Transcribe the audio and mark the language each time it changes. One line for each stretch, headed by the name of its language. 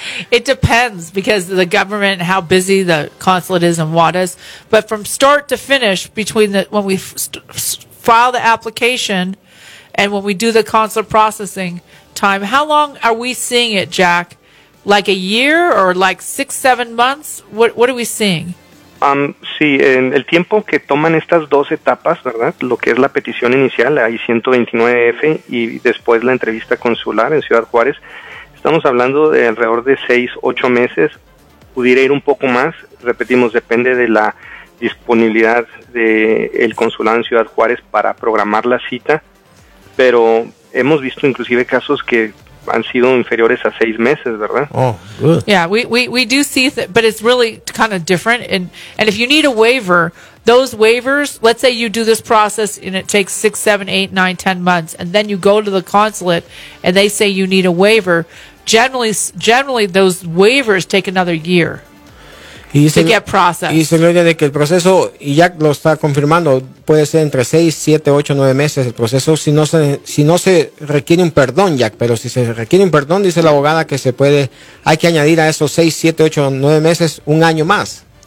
English: It depends, because the government, how busy the consulate is in Juarez. But from start to finish, between when we file the application and when we do the consular processing time, how long are we seeing it, Jack? Like a year or like 6-7 months? What are we seeing?
Spanish: Sí, en el tiempo que toman estas dos etapas, ¿verdad? Lo que es la petición inicial, la I-129F, y después la entrevista consular en Ciudad Juárez, estamos hablando de alrededor de 6-8 meses. Pudiera ir un poco más, repetimos, depende de la disponibilidad del consulado en Ciudad Juárez para programar la cita, pero hemos visto inclusive casos que han sido inferiores a 6 meses, ¿verdad?
English: Oh, good. Yeah, we do see that, but it's really kind of different. And if you need a waiver, those waivers, let's say you do this process and it takes 6, 7, 8, 9, 10 months, and then you go to the consulate and they say you need a waiver, generally those waivers take another year to get processed.
Spanish: Y se Gloria de que el proceso, y Jack lo está confirmando, puede ser entre 6, 7, 8, 9 meses el proceso si no se requiere un perdón, Jack, pero si se requiere un perdón, dice la abogada que hay que añadir a esos 6, 7, 8, 9 meses un año más.